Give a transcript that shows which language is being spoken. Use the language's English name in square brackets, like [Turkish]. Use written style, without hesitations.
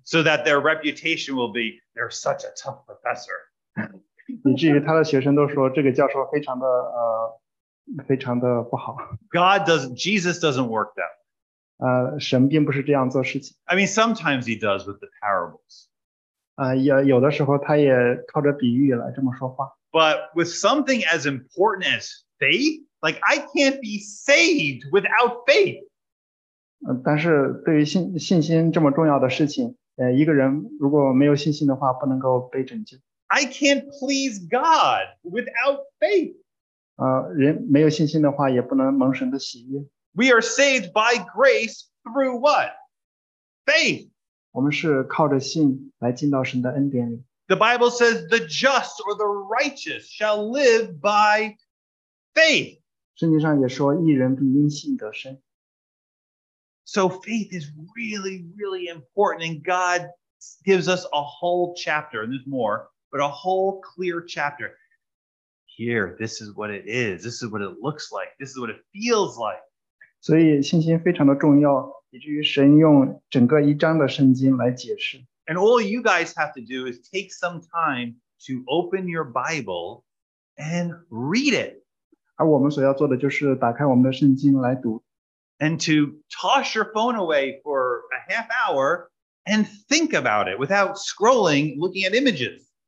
[English] So that their reputation will be, they're such a tough professor. [Chinese] 以至于他的学生都说这个教授非常的不好。 [English] God doesn't, Jesus doesn't work that way. [Chinese] 神并不是这样做事情。 [English] I mean, sometimes he does with the parables. [Chinese] 有的时候他也靠着比喻来这么说话。 [English] But with something as important as faith, like I can't be saved without faith. [Chinese] 但是对于信心这么重要的事情，一个人如果没有信心的话，不能够被拯救。 [English] I can't please God without faith. [Chinese] 人没有信心的话，也不能蒙神的喜悦。 [English] We are saved by grace through what? Faith. [Chinese] 我们是靠着信来进到神的恩典里。 [English] The Bible says the just or the righteous shall live by faith. [Chinese] 圣经上也说，义人必因信得生。 [English] So faith is really, really important, and God gives us a whole chapter, and there's more, but a whole clear chapter. Here, this is what it is. This is what it looks like. This is what it feels like. [Chinese] 所以信心非常的重要，以至于神用整个一章的圣经来解释。 [English] And all you guys have to do is take some time to open your Bible and read it. [Chinese] 而我们所要做的就是打开我们的圣经来读。 [English] And to toss your phone away for a half hour and think about it without scrolling, looking at images.